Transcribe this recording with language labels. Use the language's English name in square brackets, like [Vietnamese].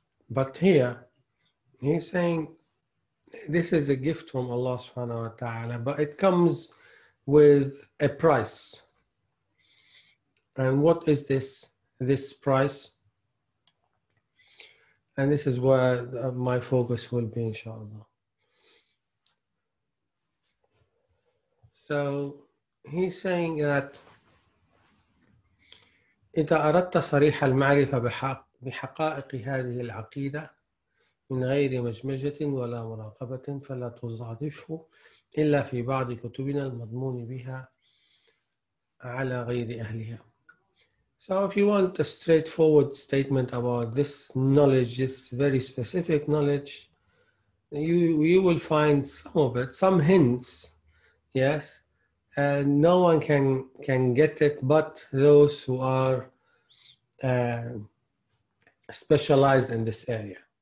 [English] But here, he's saying this is a gift from Allah subhanahu wa ta'ala, but it comes with a price. And what is this price? And this is where my focus will be, inshallah. So he's saying that [Arabic] إِذَا أَرَدْتَ صَرِيحَ الْمَعْرِفَ بِحَقَائِقِ هَذِهِ الْعَقِيدَةِ من غير مجمجة ولا مراقبة فلا تزعفه إلا في بعض كتبنا المضمون بها على غير أهلها. [English] So if you want a straightforward statement about this knowledge, this very specific knowledge, you will find some of it, some hints, yes, and no one can get it but those who are specialized in this area.